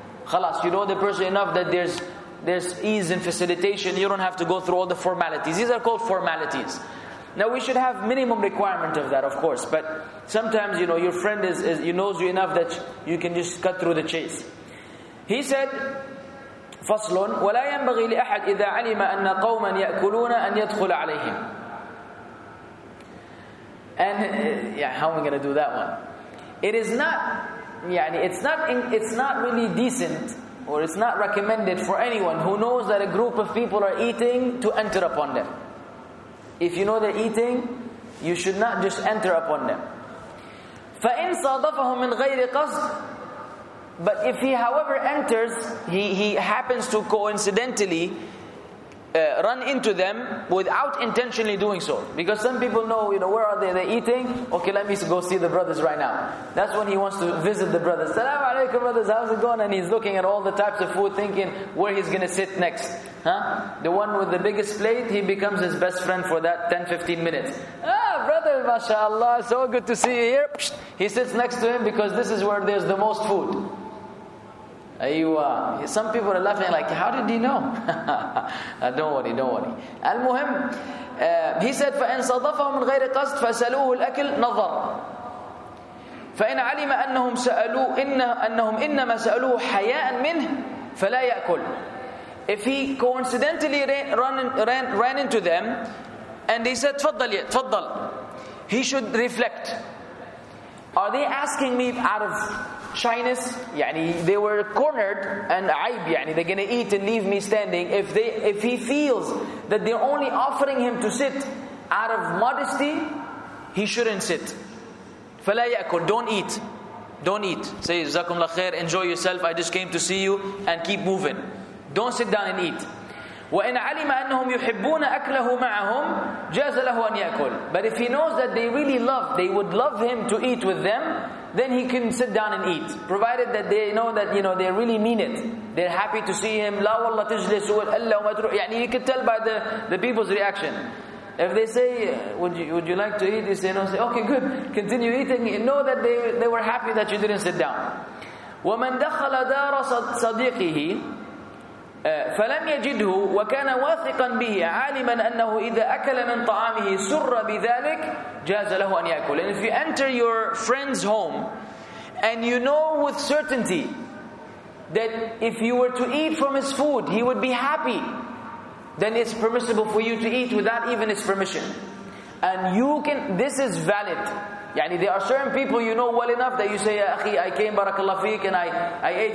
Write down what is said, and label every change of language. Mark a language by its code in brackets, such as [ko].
[en] Khalas, you know the person enough that there's ease and facilitation. You don't have to go through all the formalities. These are called formalities. Now we should have minimum requirement of that, of course. But sometimes, you know, your friend is he knows you enough that you can just cut through the chase. He said, [ar] "فصلٌ ولا ينبغي لأحد إذا علم أن قوما يأكلون أن يدخل عليهم." [en] And yeah, how am I going to do that one? It is not, it's not really decent, or it's not recommended for anyone who knows that a group of people are eating to enter upon them. If you know they're eating, you should not just enter upon them. [ar] فَإِنْ صَادَفَهُمْ مِنْ غَيْرِ قَصْدٍ. [en] But if he, however, enters, he happens to coincidentally run into them without intentionally doing so. Because some people know, you know, where are they? They're eating. Okay, let me go see the brothers right now. That's when he wants to visit the brothers. Salaam alaikum, brothers. How's it going? And he's looking at all the types of food, thinking where he's going to sit next. Huh? The one with the biggest plate, he becomes his best friend for that 10-15 minutes. Ah, brother, mashallah, so good to see you here. Psht. He sits next to him because this is where there's the most food. Aywa. Some people are laughing like, how did he know? don't worry. [ar] Al-Muhim, [en] he said, [ar] فَإِنْ صَدَفَهُمْ مِنْ غَيْرِ قَصْدْ فَسَلُوهُ الْأَكِلْ نَظَرًا فَإِنْ عَلِمَ أَنَّهُمْ سَأَلُوهُ أَنَّهُمْ إِنَّمَا سَأَلُوهُ حَيَاءً مِنْهِ فَلَا يَأْكُلْ. [en] If he coincidentally ran into them, and he said, تفضل, he should reflect. Are they asking me out of shyness, يعني they were cornered, and عيب, يعني they're gonna eat and leave me standing. If he feels that they're only offering him to sit out of modesty, he shouldn't sit. [ar] فلا يأكل, [en] don't eat. Say [ar] جزاكم الله خير, [en] enjoy yourself. I just came to see you, and keep moving. Don't sit down and eat. [ar] وإن علم أنهم يحبون أكله معهم جاز له أن يأكل. [en] But if he knows that they would love him to eat with them, then he can sit down and eat, provided that they know that, you know, they really mean it. They're happy to see him. [ar] لا والله تجلس إلا وما تروح. [en] يعني you can tell by the people's reaction. If they say, would you like to eat? You say no. Say okay, good. Continue eating. You know that they were happy that you didn't sit down. [ar] ومن دخل دار صديقه فلم يجده وكان واثقا به عالما أنه إذا أكل من طعامه سر بذلك جاز له أن يأكل. [en] And if you enter your friend's home and you know with certainty that if you were to eat from his food he would be happy, then it's permissible for you to eat without even his permission. And you can, this is valid. يعني there are certain people you know well enough that you say, [ar] يا أخي, [en] I came, barakallah feek, and I ate.